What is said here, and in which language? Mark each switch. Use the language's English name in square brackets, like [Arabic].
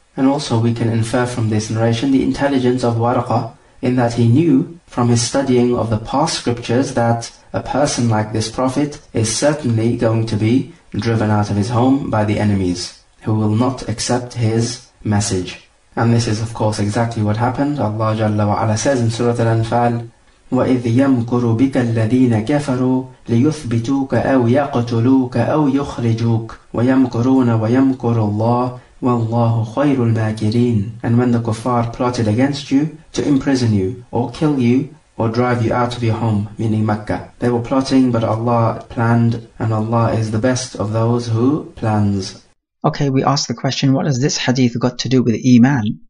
[English] And also we can infer from this narration the intelligence of Waraqah, in that he knew from his studying of the past scriptures that a person like this prophet is certainly going to be driven out of his home by the enemies, who will not accept his message. And this is of course exactly what happened. Allah Jalla wa Ala says in Surah Al-Anfal, [Arabic] وَإِذْ يَمْكُرُ بِكَ الَّذِينَ كَفَرُوا لِيُثْبِتُوكَ أَوْ يَقْتُلُوكَ أَوْ يُخْرِجُوكَ وَيَمْكُرُونَ وَيَمْكُرُ اللَّهُ وَاللَّهُ خَيْرُ الْمَاكِرِينَ. [English] And when the kuffar plotted against you to imprison you or kill you or drive you out of your home, meaning Mecca, they were plotting, but Allah planned, and Allah is the best of those who plans. Okay, we ask the question, what has this hadith got to do with Iman?